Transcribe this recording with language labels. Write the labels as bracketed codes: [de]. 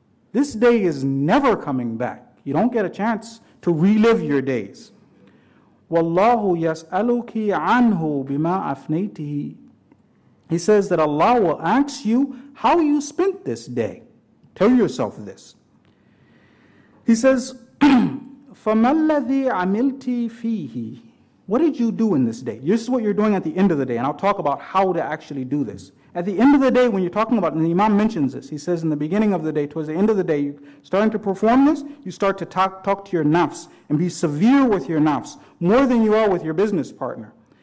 [en] This day is never coming back. You don't get a chance to relive your days. [ar] وَاللَّهُ يَسْأَلُكِ عَنْهُ بِمَا أَفْنَيْتِهِ. [en] He says that Allah will ask you how you spent this day. Tell yourself this. He says, [ar] فَمَا الَّذِي عَمِلْتِ فِيهِ. [en] What did you do in this day? This is what you're doing at the end of the day, and I'll talk about how to actually do this. At the end of the day, when you're talking about, and the imam mentions this, he says in the beginning of the day, towards the end of the day, you're starting to perform this, you start to talk to your nafs and be severe with your nafs, more than you are with your business partner.